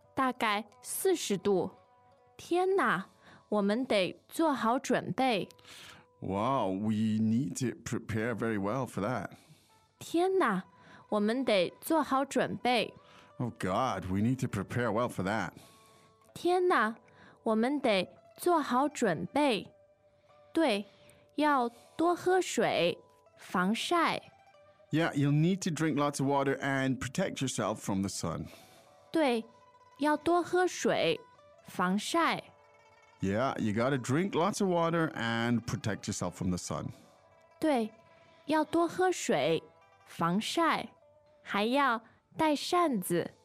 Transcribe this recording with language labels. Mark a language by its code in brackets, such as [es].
[zh] 大概40度 天哪，我们得做好准备。 [en] Wow, we need to prepare very well for that. [zh] 天哪，我们得做好准备。 [en] Oh God, we need to prepare well for that. [zh] 天哪，我们得做好准备。对，要多喝水，防晒。 [en] Yeah, you'll need to drink lots of water and protect yourself from the sun. [zh] 对，要多喝水，防晒。 [en] Yeah, you gotta drink lots of water and protect yourself from the sun. [zh] 对，要多喝水，防晒，还要带扇子。